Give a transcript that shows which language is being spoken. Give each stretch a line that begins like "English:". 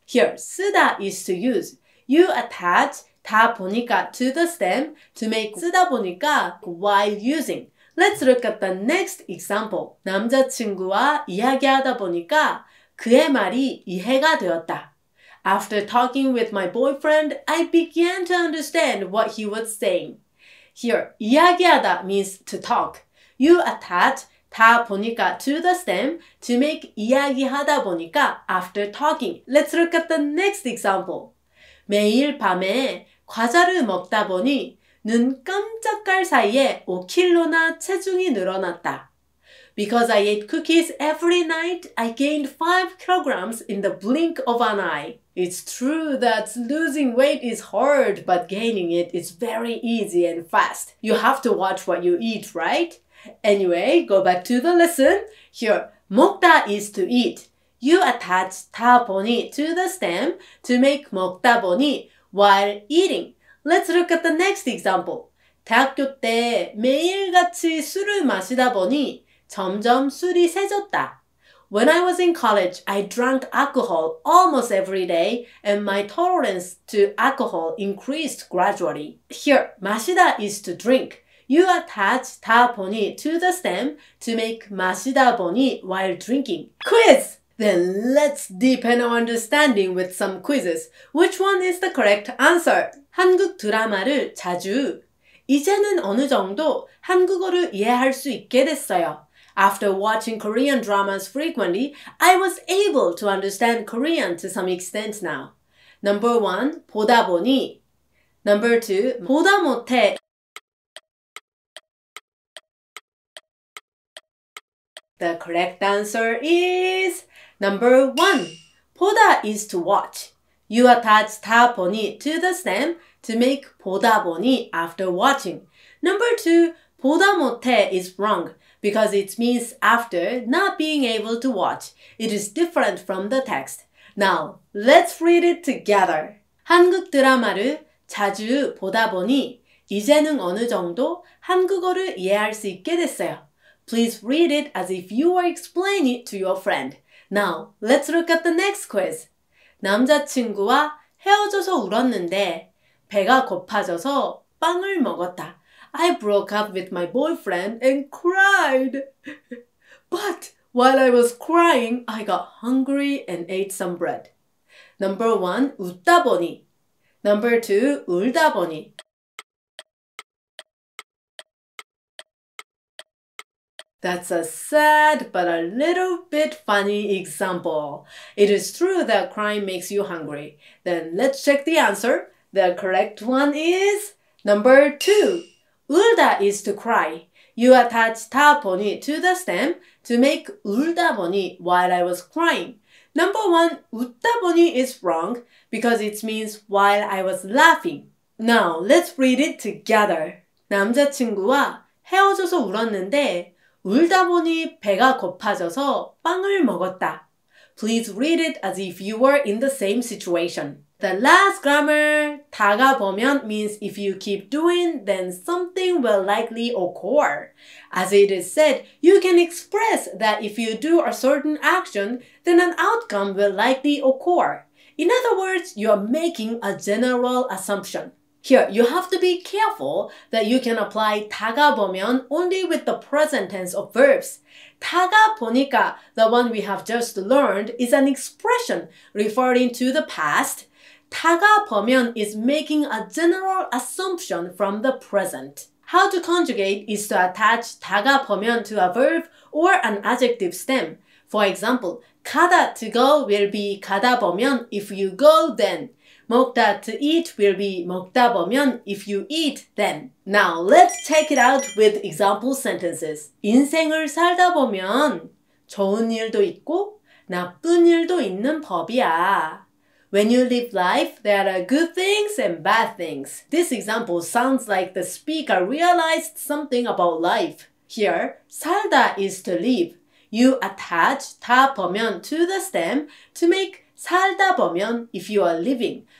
English: Here, 쓰다 is to use. You attach
Korean: 다 보니까
English: to the stem to make
Korean: 쓰다 보니까
English: while using. Let's look at the next example.
Korean: 남자친구와 이야기하다 보니까 그의 말이 이해가 되었다.
English: After talking with my boyfriend, I began to understand what he was saying. Here, 이야기하다 means to talk. You attach
Korean: 다 보니까
English: to the stem, to make
Korean: 이야기하다 보니까
English: after talking. Let's look at the next example.
Korean: 매일 밤에 과자를 먹다 보니 눈 깜짝할 사이에 5kg나 체중이 늘어났다.
English: Because I ate cookies every night, I gained 5kg in the blink of an eye. It's true that losing weight is hard, but gaining it is very easy and fast. You have to watch what you eat, right? Anyway, go back to the lesson. Here, 먹다 is to eat. You attach
Korean: 다 보니
English: to the stem to make
Korean: 먹다 보니
English: while eating. Let's look at the next example.
Korean: 대학교 때 매일같이 술을 마시다 보니 점점 술이 세졌다.
English: When I was in college, I drank alcohol almost every day and my tolerance to alcohol increased gradually. Here, 마시다 is to drink. You attach
Korean: 다 보니
English: to the stem to make
Korean: 마시다 보니
English: while drinking. Quiz! Then let's deepen our understanding with some quizzes. Which one is the correct answer?
Korean: 한국 드라마를 자주 이제는 어느 정도 한국어를 이해할 수 있게 됐어요.
English: After watching Korean dramas frequently, I was able to understand Korean to some extent now. Number 1,
Korean: 보다 보니.
English: Number 2,
Korean: 보다 못해.
English: The correct answer is number 1. 보다 is to watch. You attach
Korean: 다 보니
English: to the stem to make
Korean: 보다 보니
English: after watching. Number 2,
Korean: 보다 못해
English: is wrong. Because it means after not being able to watch. It is different from the text. Now, let's read it together.
Korean: 한국 드라마를 자주 보다 보니 이제는 어느 정도 한국어를 이해할 수 있게 됐어요.
English: Please read it as if you were explaining it to your friend. Now, let's look at the next quiz.
Korean: 남자친구와 헤어져서 울었는데 배가 고파져서 빵을 먹었다.
English: I broke up with my boyfriend and cried. But while I was crying, I got hungry and ate some bread. Number 1,
Korean: 웃다 보니.
English: Number 2,
Korean: 울다 보니.
English: That's a sad but a little bit funny example. It is true that crying makes you hungry. Then let's check the answer. The correct one is number 2. 울다 is to cry. You attach
Korean: 다 보니
English: to the stem to make
Korean: 울다 보니
English: while I was crying. Number 1,
Korean: 웃다 보니
English: is wrong because it means while I was laughing. Now, let's read it together.
Korean: 남자친구와 헤어져서 울었는데 울다 보니 배가 고파져서 빵을 먹었다.
English: Please read it as if you were in the same situation. The last grammar,
Korean: 다가 보면
English: means if you keep doing, then something will likely occur. As it is said, you can express that if you do a certain action, then an outcome will likely occur. In other words, you are making a general assumption. Here, you have to be careful that you can apply
Korean: 다가 보면
English: only with the present tense of verbs.
Korean: 다가 보니까,
English: the one we have just learned, is an expression referring to the past. 다가보면 is making a general assumption from the present. How to conjugate is to attach 다가보면 to a verb or an adjective stem. For example, 가다 to go will be 가다보면 if you go then. 먹다 to eat will be 먹다보면 if you eat then. Now let's check it out with example sentences.
Korean: 인생을 살다 보면 좋은 일도 있고 나쁜 일도 있는 법이야.
English: When you live life, there are good things and bad things. This example sounds like the speaker realized something about life. Here, 살다 is to live. You attach
Korean: 다 보면
English: to the stem to make
Korean: 살다 보면
English: if you are living.